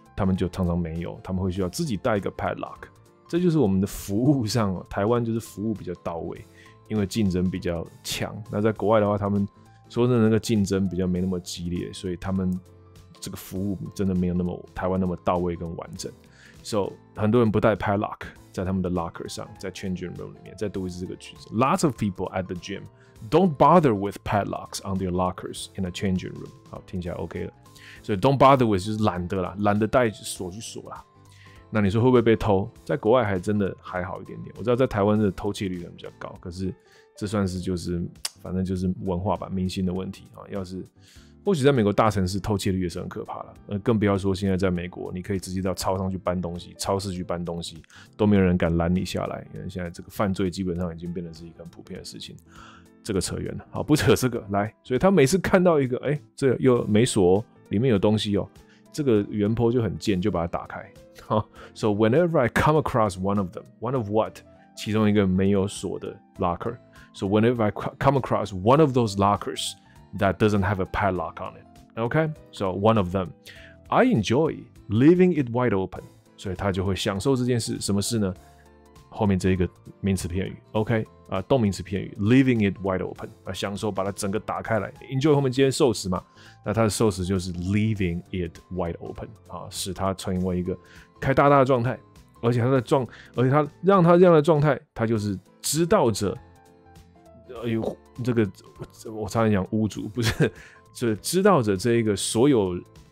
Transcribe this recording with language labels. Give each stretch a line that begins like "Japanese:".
Chinese: 他们就常常没有，他们会需要自己带一个 padlock， 这就是我们的服务上，台湾就是服务比较到位，因为竞争比较强。那在国外的话，他们说真的那个竞争比较没那么激烈，所以他们这个服务真的没有那么台湾那么到位跟完整。 So 很多人不带 padlock 在他们的 locker 上，在 changing room 里面。再读一次这个句子
English: ：Lots of people at the gym don't bother with padlocks on their lockers in a changing room。
Chinese: 好，听起来 OK 了。所以 don't bother with 就是懒得啦，懒得带锁去锁啦。那你说会不会被偷？在国外还真的还好一点点。我知道在台湾的偷窃率很比较高，可是这算是就是反正就是文化吧，民心的问题啊。要是或许在美国大城市偷窃率也是很可怕啦，更不要说现在在美国，你可以直接到超商去搬东西，超市去搬东西，都没有人敢拦你下来，因为现在这个犯罪基本上已经变成是一个很普遍的事情。这个扯远了，好，不扯这个。来，所以他每次看到一个，哎、欸，这又没锁、哦。里面有东西哦，这个原po就很贱，就把它打开。
English: So whenever I come across one of them, one of what?
Chinese: 其中一个没有锁的
English: locker. So whenever I come across one of those lockers that doesn't have a padlock on it, okay? So one of them, I enjoy leaving it wide open.
Chinese: 所以他就会享受这件事。什么事呢？后面这一个名词片语 ，OK 啊、动名词片语 ，leaving it wide open 啊，享受把它整个打开来 ，enjoy 后面接受词嘛，那它的受词就是 leaving it wide open 啊，使它成为一个开大大的状态，而且它的状，而且它让它这样的状态，它就是知道着，这个我差点讲屋主不是，就是知道着这一个所有。